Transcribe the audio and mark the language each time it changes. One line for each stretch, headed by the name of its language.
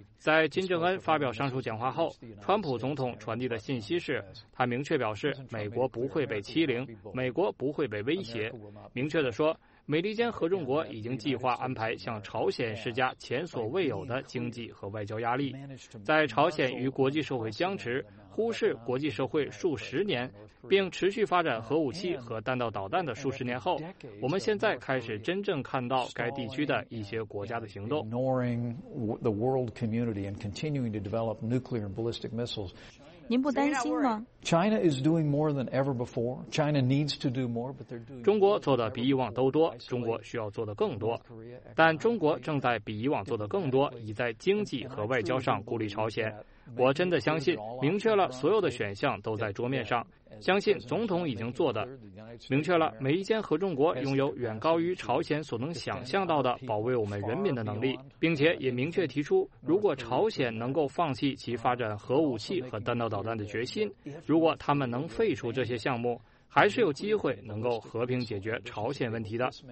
Chinese: 在金正恩发表上述讲话后，川普总统传递的信息是，他明确表示美国不会被欺凌，美国不会被威胁，明确地说美利坚合众国已经计划安排向朝鲜施加前所未有的经济和外交压力。在朝鲜与国际社会僵持、忽视国际社会数十年，并持续发展核武器和弹道导弹的数十年后，我们现在开始真正看到该地区的一些国家的行动。
English: Ignoring the world community and continuing to develop nuclear and ballistic missiles.
Chinese: 您不担心吗？
English: China is doing more than ever before. China needs to do more, but they're doing.
Chinese: 中国做的比以往都多，中国需要做的更多，但中国正在比以往做的更多，已在经济和外交上孤立朝鲜。我真的相信，明确了所有的选项都在桌面上，相信总统已经做的，明确了美利坚合众国拥有远高于朝鲜所能想象到的保卫我们人民的能力，并且也明确提出，如果朝鲜能够放弃其发展核武器和弹道导弹的决心，如果他们能废除这些项目，还是有机会能够和平解决朝鲜问题的。